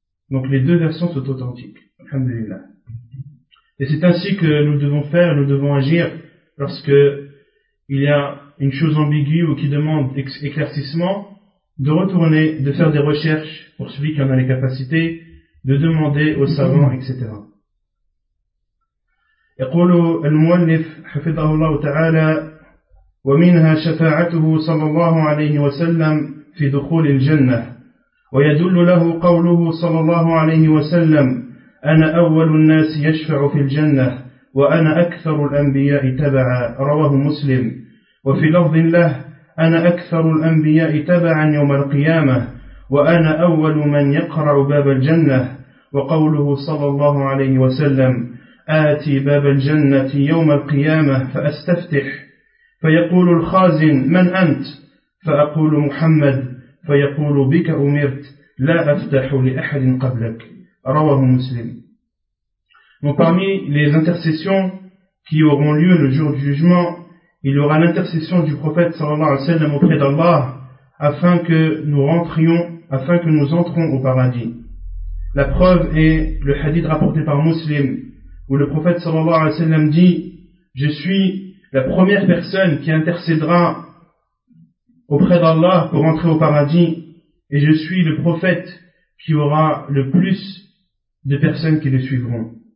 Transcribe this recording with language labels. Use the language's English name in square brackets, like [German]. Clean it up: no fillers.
[French] Donc les deux versions sont authentiques, alhamdulillah. Et c'est ainsi que nous devons faire, nous devons agir, lorsque il y a une chose ambiguë ou qui demande éclaircissement, de retourner, de faire des recherches pour celui qui en a les capacités, de demander aux savants, etc. [Arabic] يقول المؤلف حفظه الله تعالى: ومنها شفاعته صلى الله عليه وسلم في دخول الجنة، ويدل له قوله صلى الله عليه وسلم: أنا أول الناس يشفع في الجنة، وأنا أكثر الأنبياء تبعا، رواه مسلم. وفي لفظ له: أنا أكثر الأنبياء تبعا يوم القيامة، وأنا أول من يقرع باب الجنة. وقوله صلى الله عليه وسلم: آتي باب الجنة يوم القيامة فأستفتح، فيقول الخازن: من أنت؟ فأقول: محمد. فيقول: بك أمرت، لا أفتح لأحد قبلك، رواه مسلم. [French] Donc parmi les intercessions qui auront lieu le jour du jugement, il y aura l'intercession du prophète sallallahu alayhi wa sallam auprès d'Allah afin que nous entrions au paradis. La preuve est le hadith rapporté par Muslim où le prophète sallallahu alayhi wa sallam dit: je suis la première personne qui intercédera auprès d'Allah pour entrer au paradis, et je suis le prophète qui aura le plus de personnes qui le suivront.